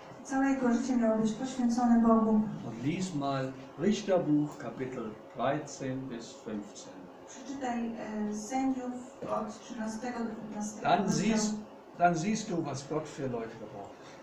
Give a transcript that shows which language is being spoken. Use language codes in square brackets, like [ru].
[pl] Całe jego życie miało być poświęcone Bogu. [de] Und lies mal Richterbuch Kapitel 13 bis 15. [pl] Przeczytaj Sędziów od 13 do 15. [de] Dann siehst du, was Gott für Leute gebraucht.